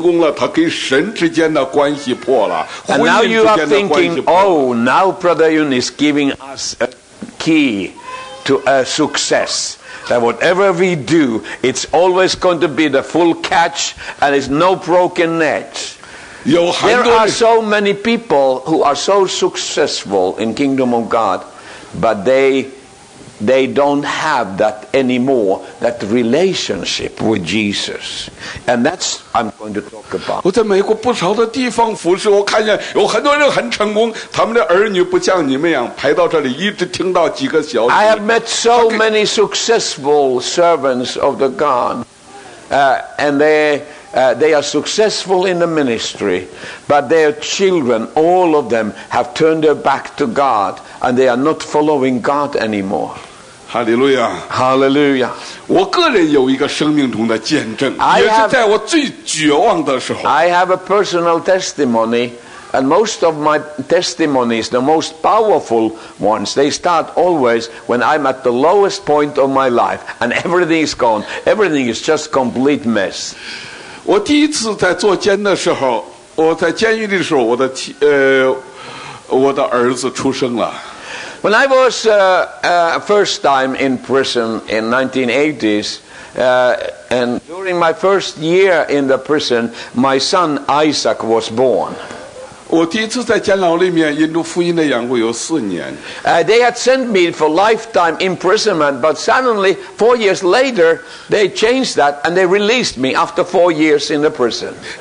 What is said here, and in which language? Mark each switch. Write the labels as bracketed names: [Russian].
[Chinese] 有人可能是不是你在讲什么成功啊，我要带到什么东西？不，有很多人成功了，他跟神之间的关系破了。 [English] And now you are thinking, oh, now Brother Yun is giving us a key to a success. That whatever we do, it's always going to be the full catch, and it's no broken net. There are so many people who are so successful in kingdom of God, but they don't have that anymore, that relationship with Jesus. And that's I'm going to talk about. [Chinese] 我在美国不少的地方服侍，我看见有很多人很成功，他们的儿女不像你们一样排到这里，一直听到几个小时。 [English] I have met so many successful servants of the God, and they are successful in the ministry, but their children, all of them, have turned their back to God, and they are not following God anymore. Hallelujah. Hallelujah. [Chinese] 我个人有一个生命中的见证, [English] I have a personal testimony, and most of my testimonies, the most powerful ones, they start always when I'm at the lowest point of my life, and everything is gone. Everything is just complete mess. [Chinese] 我第一次在坐监的时候,我在监狱的时候,我的儿子出生了。 [English] When I was first time in prison in 1980s, and during my first year in the prison, my son Isaac was born. They had sent me for lifetime imprisonment, but suddenly, 4 years later, they changed that and they released me after 4 years in the prison.